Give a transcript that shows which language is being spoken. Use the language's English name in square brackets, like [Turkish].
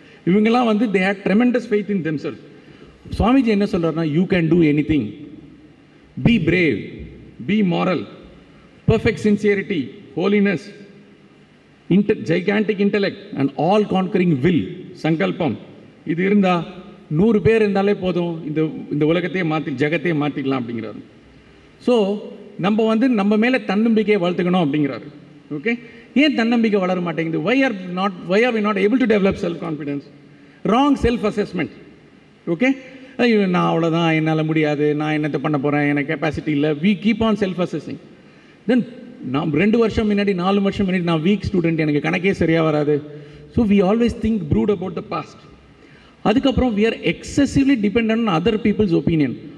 [Tamil] இவங்கெல்லாம் வந்து [English] They had tremendous faith in themselves. [Tamil] Swamiji என்ன சொல்கிறார்னா, [English] You can do anything, be brave, be moral, perfect sincerity, holiness, gigantic intellect and all conquering will, சங்கல்பம். [Tamil] இது இருந்தால் 100 பேர் இருந்தாலே போதும், இந்த இந்த உலகத்தையே மாற்றி ஜகத்தையே மாற்றிக்கலாம் அப்படிங்கிறாரு. ஸோ நம்ம வந்து நம்ம மேலே தன்னம்பிக்கையை வளர்த்துக்கணும் அப்படிங்கிறாரு. ஓகே, ஏன் தன்னம்பிக்கை வளர மாட்டேங்குது? [English] Why are we not able to develop self-confidence? Wrong self-assessment. [Tamil] Okay, ஐயோ நான் அவ்வளோதான், என்னால் முடியாது, நான் என்னத்தை பண்ண போகிறேன், எனக்கு கெப்பாசிட்டி இல்லை. [English] We keep on self assessing. [Tamil] தென் நான் 2 வருஷம் முன்னாடி, 4 வருஷம் முன்னாடி நான் வீக் ஸ்டூடெண்ட், எனக்கு கணக்கே சரியாக வராது. [English] So we always think brood about the past. [Tamil] அதுக்கப்புறம் [English] We are excessively dependent on other people's opinion.